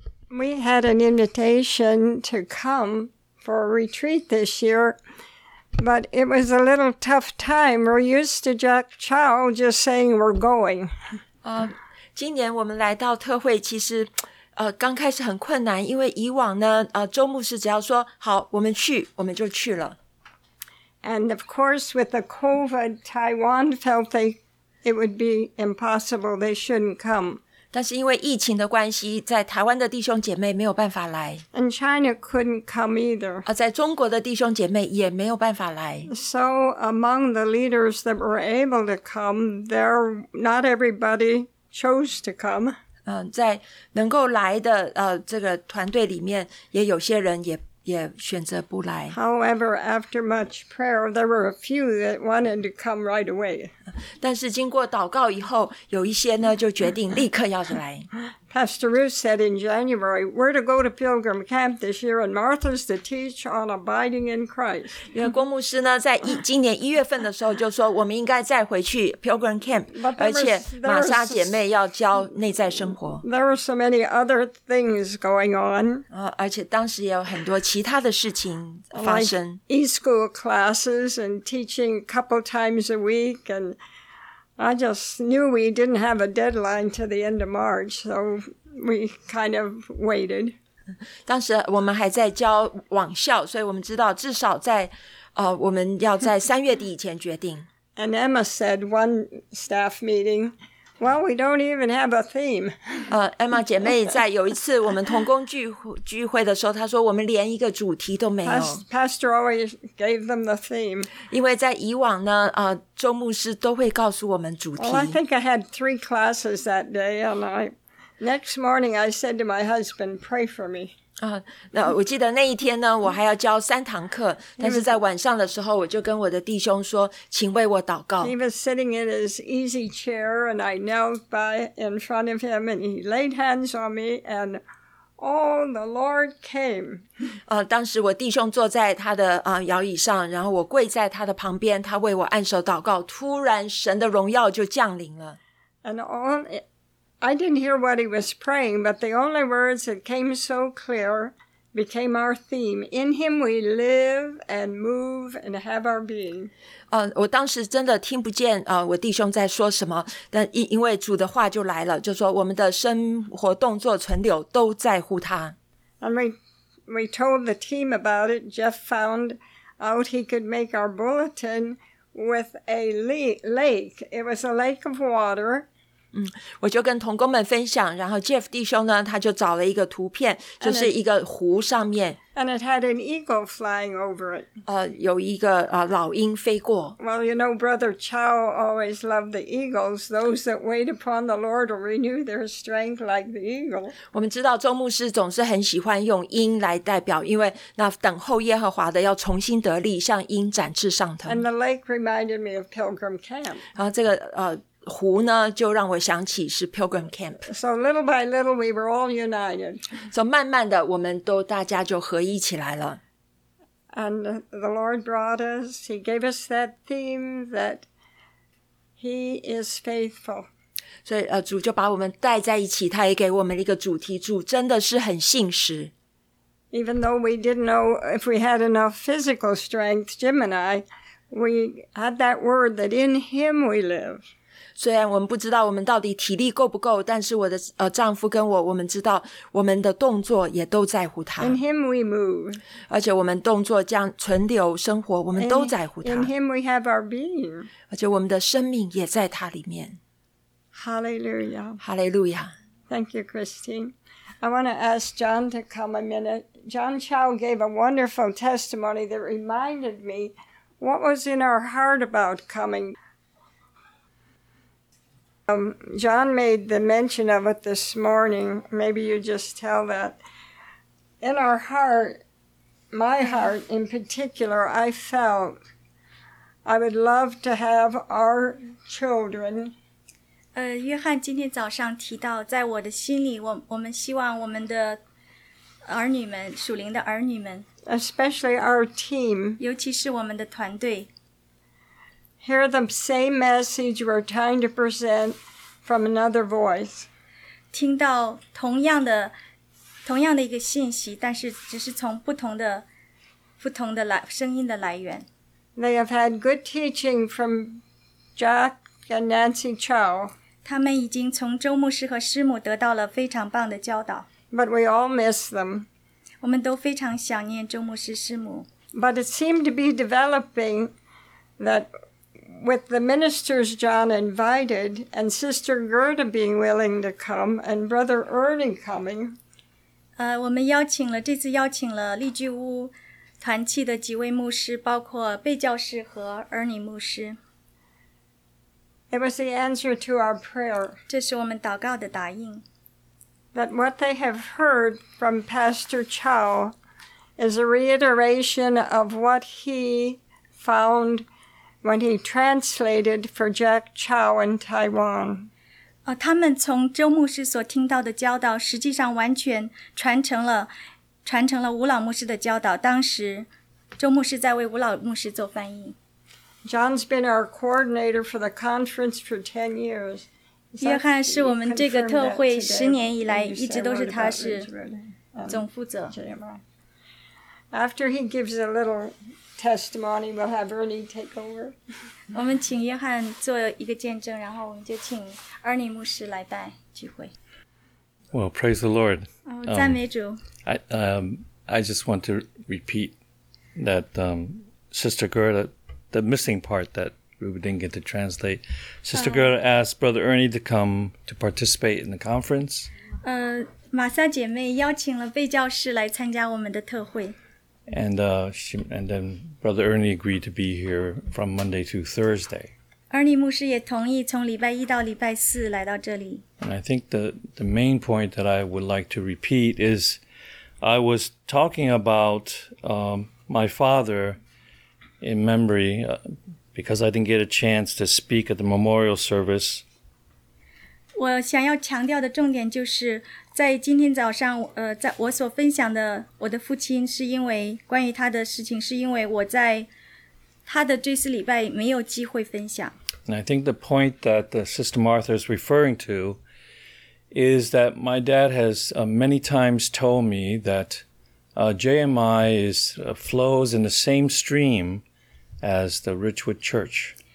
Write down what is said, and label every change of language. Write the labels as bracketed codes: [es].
[en] We had an invitation to come for a retreat this year, but it was a little tough time. We're used to Jack Chow just saying we're going. [zh] 今年我们来到特会其实刚开始很困难，因为以往呢周牧师只要说好我们去我们就去了。 [en] And of course with the COVID, Taiwan felt it would be impossible, they shouldn't come. [zh] 但是因为疫情的关系在台湾的弟兄姐妹没有办法来。 [en] And China couldn't come either. [zh] 在中国的弟兄姐妹也没有办法来。 [en] So among the leaders that were able to come, there not everybody chose to come. [zh] 在能够来的这个团队里面也有些人也选择不来。 [en] However, after much prayer, there were a few that wanted to come right away. [zh] 但是经过祷告以后，有一些呢就决定立刻要来。 [en] Pastor Ruth said in January, we're to go to Pilgrim Camp this year, and Martha's to teach on abiding in Christ. [zh] 因为郭牧师呢，在今年一月份的时候就说，我们应该再回去 Pilgrim Camp， 而且玛莎姐妹要教内在生活。 [en] There were so many other things going on. [zh] 而且当时也有很多其他的事情发生。 [en] Like e-school classes and teaching a couple times a week and. I just knew we didn't have a deadline to the end of March, so we kind of waited. [zh] 当时我们还在教网校，所以我们知道至少在我们要在三月底以前决定。 [en] And Emma said one staff meeting, well, we don't even have a theme. [zh] Emma 姐妹在有一次我们同工聚会的时候，她说我们连一个主题都没有。 [en] Pastor always gave them the theme. [zh] 因为在以往呢，周牧师都会告诉我们主题。 [en] Well, I think I had three classes that day, and next morning I said to my husband, pray for me. [zh] 那我记得那一天呢，我还要教三堂课，但是在晚上的时候，我就跟我的弟兄说，请为我祷告。 [en] He was sitting in his easy chair, and I knelt by in front of him, and he laid hands on me, and oh, the Lord came. [zh] 当时我弟兄坐在他的摇椅上，然后我跪在他的旁边，他为我按手祷告，突然神的荣耀就降临了。 [en] And all it,I didn't hear what he was praying, but the only words that came so clear became our theme. In him we live and move and have our being. [zh] 我当时真的听不见我弟兄在说什么，但因为主的话就来了，就说我们的生活动作存留都在乎他。 [en] And we told the team about it. Jeff found out he could make our bulletin with a lake. It was a lake of water. [zh] 我就跟同工们分享，然后 Jeff 弟兄呢，他就找了一个图片，就是一个湖上面。 [en] And it had an eagle flying over it. [zh] 有一个老鹰飞过。 [en] Well, you know, Brother Chow always loved the eagles. Those that wait upon the Lord will renew their strength like the eagle. [zh] 我们知道周牧师总是很喜欢用鹰来代表，因为那等候耶和华的要重新得力，像鹰展翅上腾。 [en] And the lake reminded me of Pilgrim Camp. [zh] 然后这个湖呢就让我想起是 Pilgrim Camp. [en] So little by little we were all united. So [zh] 慢慢的我们都大家就合一起来了。 [en] And the Lord brought us, he gave us that theme that he is faithful. [zh] 所以主就把我们带在一起，他也给我们一个主题，主真的是很信实。 [en] Even though we didn't know if we had enough physical strength, Jim and I, we had that word that in him we live. [zh] 虽然我们不知道我们到底体力够不够，但是我的丈夫跟我们知道我们的动作也都在乎他。 [en] In him we move. [zh] 而且我们动作这样存留生活，我们都在乎他。 [en] In him we have our being. [zh] 而且我们的生命也在他里面。 [en] Hallelujah. Hallelujah. Thank you, Christine. I want to ask John to come a minute. John Chow gave a wonderful testimony that reminded me what was in our heart about coming. John made the mention of it this morning. Maybe you just tell that. In our heart, my heart in particular, I felt I would love to have our children. [zh] 约翰今天早上提到，在我的心里，我们希望我们的儿女们，属灵的儿女们， [en] especially our team, [zh] 尤其是我们的团队。 [en] Hear the same message we're trying to present from another voice. [zh] 听到同样的同样的一个信息，但是只是从不同的来声音的来源。 [en] They have had good teaching from Jack and Nancy Chow. [zh] 他们已经从周牧师和师母得到了非常棒的教导。 [en] But we all miss them. [zh] 我们都非常想念周牧师师母。 [en] But it seemed to be developing that with the ministers John invited and Sister Gerda being willing to come and Brother Ernie coming. [zh] 我们邀请了这次邀请了丽居屋团契的几位牧师，包括贝教士和 Ernie 牧师。 [en] It was the answer to our prayer. [zh] 这是我们祷告的答应。 [en] That what they have heard from Pastor Chow is a reiteration of what he found when he translated for Jack Chow in Taiwan. [zh] 他们从周牧师所听到的教导，实际上完全传承了吴老牧师的教导，当时周牧师在为吴老牧师做翻译。 [en] John's been our coordinator for the conference for 10 years. [zh] 约翰是我们这个特会十年以来一直都是他是总负责。 [en] After he gives a little testimony, we'll have Ernie take over. [zh] 我们请约翰做一个见证，然后我们就请 Ernie 牧师来带聚会。 [en] Well, praise the Lord. [zh] 赞美主。 [en] I just want to repeat that Sister Gerda, the missing part that we didn't get to translate. Sister Gerda asked Brother Ernie to come to participate in the conference. [zh] 玛莎姐妹邀请了贝教士来参加我们的特会。 [en] And then Brother Ernie agreed to be here from Monday to Thursday. [zh] Ernie 牧师也同意从礼拜一到礼拜四来到这里。 [en] And I think the main point that I would like to repeat is,I was talking about my father in memory because I didn't get a chance to speak at the memorial service. [zh] 我想要强调的重点就是在今天早上在我所分享的我的父亲是因为关于他的事情是因为我在他的这次礼拜没有机会分享。 [en] And I think the point that the Sister Martha is referring to is that my dad has many times told me that JMI flows in the same stream as the Ridgewood Church.